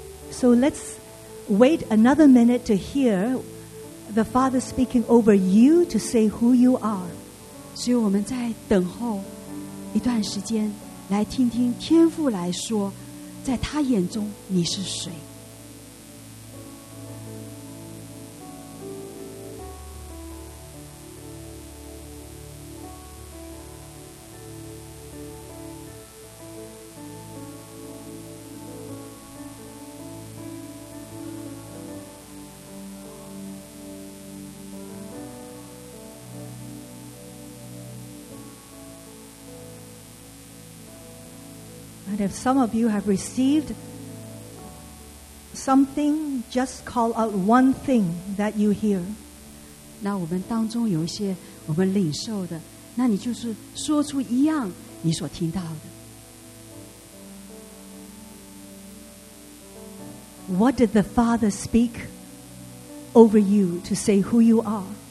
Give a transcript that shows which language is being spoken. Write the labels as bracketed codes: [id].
[en] So let's wait another minute to hear the Father speaking over you to say who you are. [zh] 所以我们在等候一段时间来听听天父来说在他眼中你是谁。 [en] If some of you have received something, just call out one thing that you hear. [zh] 那我们当中有一些我们领受的, 那你就是说出一样你所听到的。 [en] What did the Father speak over you to say who you are?